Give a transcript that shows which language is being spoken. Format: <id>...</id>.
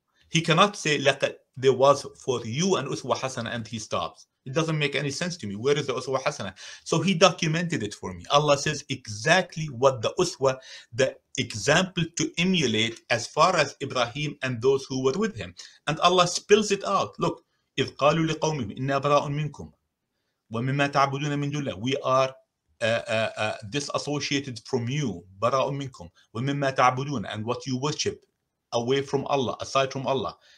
<en>He cannot say there was for you an Uswa Hasana and he stops. It doesn't make any sense to me. Where is the Uswa Hasana? So he documented it for me. Allah says exactly what the Uswa, the example to emulate as far as Ibrahim and those who were with him. And Allah spills it out.</en> <ar>Look, إِذْ قَالُوا لِقَوْمِهِمْ إِنَّا بَرَاءٌ مِنْكُمْ وَمِمَّا تَعْبُدُونَ مِنْ دُونِ اللَّهِ.</ar> <en>We are disassociated from you.</en> <ar>بَرَاءٌ مِنْكُمْ وَمِمَّا تَعْبُدُونَ.</ar> <en>And what you worship away from Allah, aside from Allah.</en>